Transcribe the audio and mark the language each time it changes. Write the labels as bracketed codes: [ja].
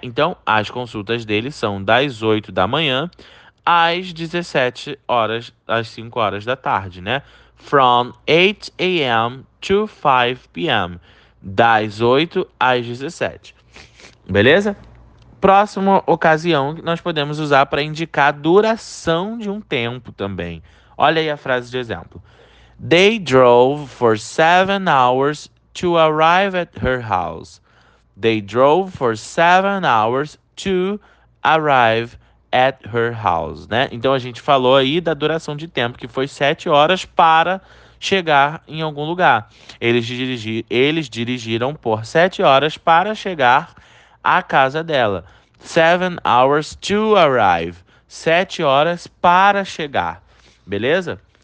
[pt] Então, as consultas dele são das 8 da manhã às 17 horas, às 5 horas da tarde, né? [en] From 8 a.m. to 5 p.m. [pt] Das 8 às 17. Beleza? Próxima ocasião que nós podemos usar para indicar a duração de um tempo também. Olha aí a frase de exemplo. [en] They drove for 7 hours to arrive at her house. They drove for 7 hours to arrive at her house, né? [pt] Então a gente falou aí da duração de tempo, que foi 7 horas para chegar em algum lugar. Eles dirigiram por 7 horas para chegar à casa dela. [en] 7 hours to arrive. [pt] 7 horas para chegar. Beleza?